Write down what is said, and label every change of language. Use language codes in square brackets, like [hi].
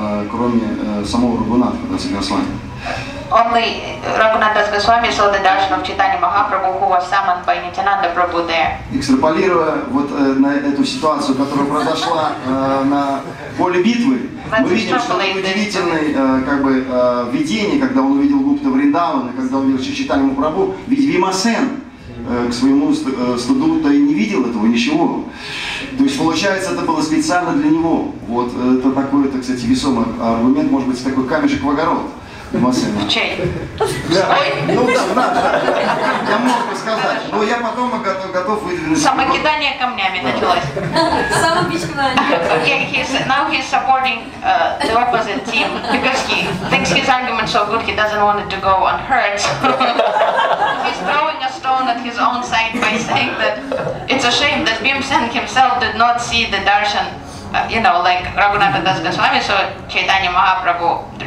[ru] Кроме самого Рагунатха Даса Госвами. Only Raghunath Das Goswami saw the darshan of Chaitanya Mahaprabhu, who was summoned by Nityananda Prabhu there. Экстраполируя вот на эту ситуацию, которая произошла на поле битвы, мы видим, что удивительное как бы видение, когда он увидел Гупта Вриндавана, когда он увидел Чайтанья Махапрабху, ведь Вимасен к своему стыду то и не видел этого ничего. То есть получается, это было специально для него. Вот это такой, это, кстати, весомый аргумент, может быть, такой камешек в огород. В чей? Ну да, да. Я мог бы сказать. Но я потом готов выдвинуть. Самокидание камнями началось. Самопичкование. [en] Now he's supporting the opposite team, because he thinks his argument so good, he doesn't want it to go unheard. He's throwing a stone at his own side by saying that it's a shame that Bhimsen himself did not see the darshan, you know, like Raghunatha Das Goswami, so Chaitanya Mahaprabhu